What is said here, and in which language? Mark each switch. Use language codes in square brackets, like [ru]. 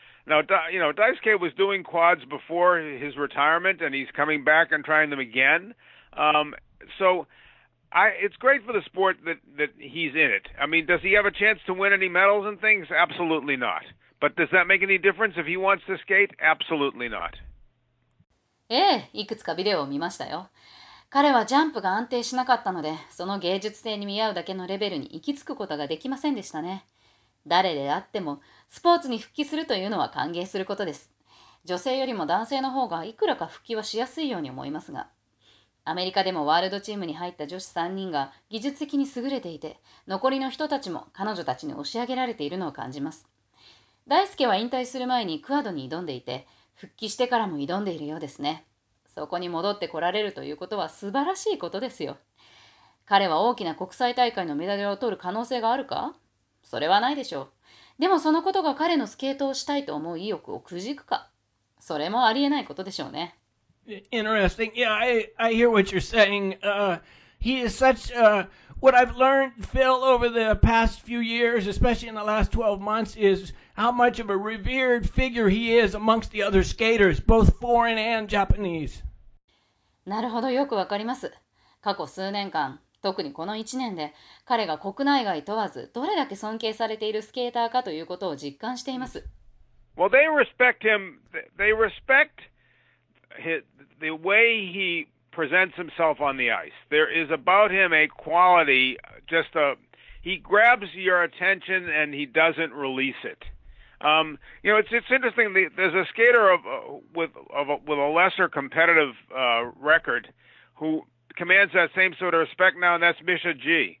[en] Now, you know, Daisuke was doing quads before his retirement, and he's coming back and trying them again. It's great for the sport that he's in it. I mean, does he have a chance to win any medals and things? Absolutely not. But does that make any difference if he wants to skate? Absolutely not. [ja] ええ、いくつかビデオを見ましたよ。彼はジャンプが安定しなかったので、その芸術性に見合うだけのレベルに行き着くことができませんでしたね。誰であっても、スポーツに復帰するというのは歓迎することです。女性よりも男性の方がいくらか復帰はしやすいように思いますが。アメリカでもワールドチームに入った女子3人が技術的に優れていて、残りの人たちも彼女たちに押し上げられているのを感じます。大輔は引退する前にクアドに挑んでいて、復帰してからも挑んでいるようですね。そこに戻ってこられるということは素晴らしいことですよ。彼は大きな国際大会のメダルを取る可能性があるか？それはないでしょう。でもそのことが彼のスケートをしたいと思う意欲をくじくか？それもありえないことでしょうね。 [en] Interesting. Yeah, I hear what you're saying. He is such what I've learned, Phil, over the past few years, especially in the last 12 months, is how much of a revered figure he is amongst the other skaters, both foreign and Japanese. [ja] なるほど、よくわかります。過去数年間、特にこの1年で、彼が国内外問わずどれだけ尊敬されているスケーターかということを実感しています。 [en] Well, they respect him. They respect the way he presents himself on the ice. There is about him a quality, he grabs your attention and he doesn't release it. You know, it's interesting. There's a skater with a lesser competitive record who commands that same sort of respect now, and that's Misha G,